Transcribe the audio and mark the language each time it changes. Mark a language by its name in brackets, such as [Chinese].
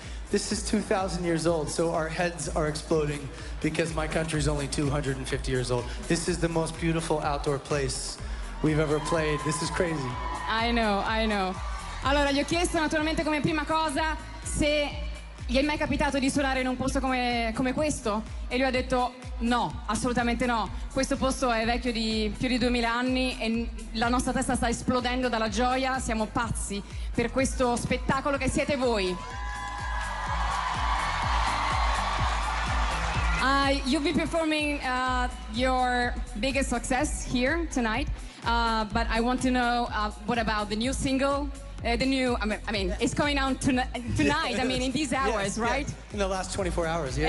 [English] This is 2,000 years old, so our heads are exploding because my country's only 250 years old. This is the most beautiful outdoor place we've ever played. This is crazy. I know. [Italian] Allora, gli ho chiesto naturalmente come prima cosa se gli è mai capitato di suonare in un posto come questo, e lui ha detto no, assolutamente no. Questo posto è vecchio di più di 2000 anni e la nostra testa sta esplodendo dalla gioia. Siamo pazzi per questo spettacolo che siete voi. [English] You'll be performing your biggest success here tonight, but I want to know what about the new single? It's coming out tonight. I mean, in these hours, right? Yeah. In the last 24 hours, yeah.